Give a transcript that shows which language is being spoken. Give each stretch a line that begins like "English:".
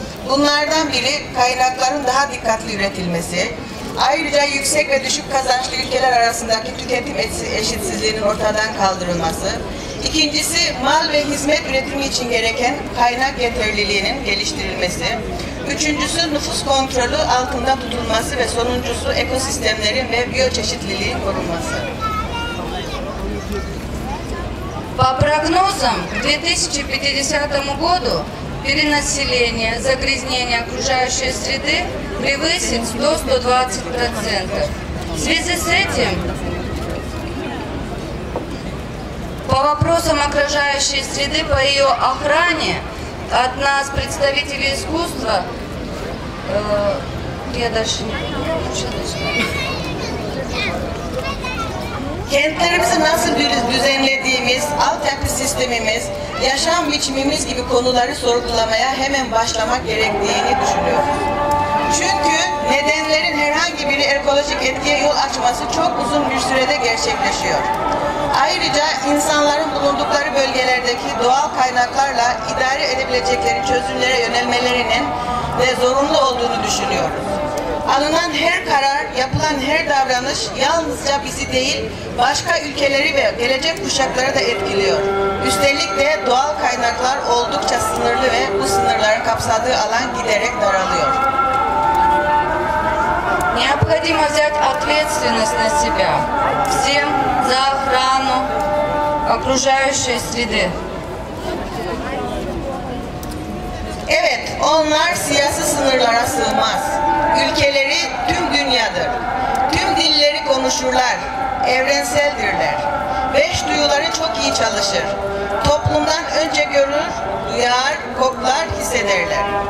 Turkish: Bunlardan biri kaynakların daha dikkatli üretilmesi, ayrıca yüksek ve düşük kazançlı ülkeler arasındaki tüketim eşitsizliğinin ortadan kaldırılması, ikincisi mal ve hizmet üretimi için gereken kaynak yeterliliğinin geliştirilmesi, üçüncüsü nüfus kontrolü altında tutulması ve sonuncusu ekosistemlerin ve biyoçeşitliliğin korunması.
Russian: По прогнозам, к 2050 году перенаселение, загрязнение окружающей среды превысит 100-120%. В связи с этим, по вопросам окружающей среды, по ее охране, от нас, представителей искусства,
Turkish: Kentlerimizi nasıl düzenlediğimiz, altyapı sistemimiz, yaşam biçimimiz gibi konuları sorgulamaya hemen başlamak gerektiğini düşünüyorum. Çünkü nedenlerin herhangi biri ekolojik etkiye yol açması çok uzun bir sürede gerçekleşiyor. Ayrıca insanların bulundukları bölgelerdeki doğal kaynaklarla idare edebilecekleri çözümlere yönelmelerinin de zorunlu olduğunu düşünüyoruz. Alınan her karar, yapılan her davranış yalnızca bizi değil, başka ülkeleri ve gelecek kuşakları da etkiliyor. Üstelik de doğal kaynaklar oldukça sınırlı ve bu sınırların kapsadığı alan giderek daralıyor.
Russian: Необходимо взять ответственность на себя всем за охрану окружающей среды.
Turkish: Evet, onlar siyasi sınırlara sığmaz. Ülkeleri tüm dünyadır. Tüm dilleri konuşurlar. Evrenseldirler. 5 duyuları çok iyi çalışır. Toplumdan önce görür, duyar, koklar, hissederler.